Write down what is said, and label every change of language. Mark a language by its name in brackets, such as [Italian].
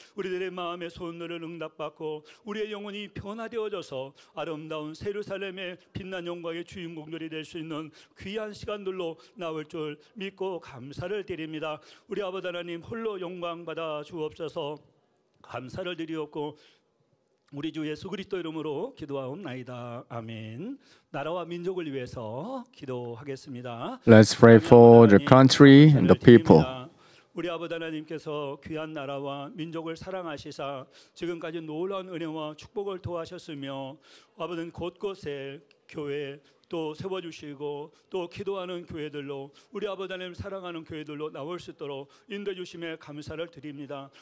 [Korean] 우리들의 마음의 소원들을 응답받고 우리의 영혼이 변화되어져서 아름다운 새 예루살렘의 빛난 영광의 주인공들이 될 수 있는 귀한 시간들로 나올 줄 믿고 감사를 드립니다. 우리 아버지 하나님 홀로 영광 받아 주옵소서. 감사를 드리옵고 우리 주 예수 그리스도 이름으로 기도하옵나이다. 아멘. 나라와 민족을 위해서 기도하겠습니다. [English] Let's pray for the country and the people. [Korean] 우리 아버지 하나님께서 귀한 나라와 민족을 사랑하시사 지금까지 놀라운 은혜와 축복을 도와주셨으며 아버지는 곳곳에 교회 또 세워주시고 또 기도하는 교회들로 우리 아버지 하나님 사랑하는 교회들로 나올 수 있도록 인도해 주심에 감사를 드립니다.